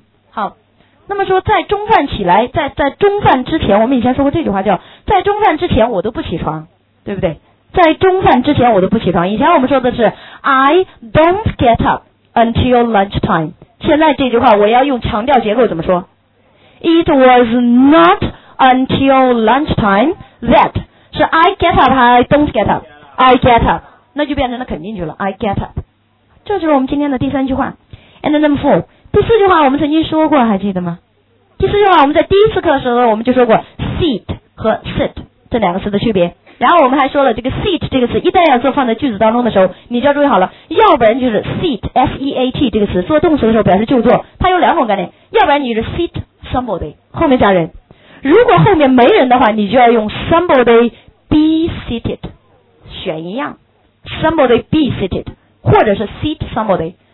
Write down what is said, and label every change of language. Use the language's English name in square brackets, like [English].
[Chinese] 好，那么说在中饭起来，在中饭之前，我们以前说过这句话，叫在中饭之前我都不起床，对不对？在中饭之前我都不起床，以前我们说的是 [English] I don't get up until lunch time， [Chinese] 现在这句话我要用强调结构怎么说？ [English] It was not until lunch time that， [Chinese] 是 [English] I get up [Chinese] 还 [English] I don't get up？ I get up， [Chinese] 那就变成了肯定句了， I get up。这就是我们今天的第三句话。 [English] And number four， [Chinese] 第四句话我们曾经说过，还记得吗？第四句话我们在第一次课的时候我们就说过 seat 和 sit 这两个词的区别，然后我们还说了这个 seat 这个词一旦要做放在句子当中的时候，你就要注意好了，要不然就是 seat S-E-A-T 这个词做动词的时候表示就坐，它有两种概念，要不然你是 seat somebody 后面加人，如果后面没人的话，你就要用 somebody be seated， 选一样somebody be seated， 或者是 seat somebody。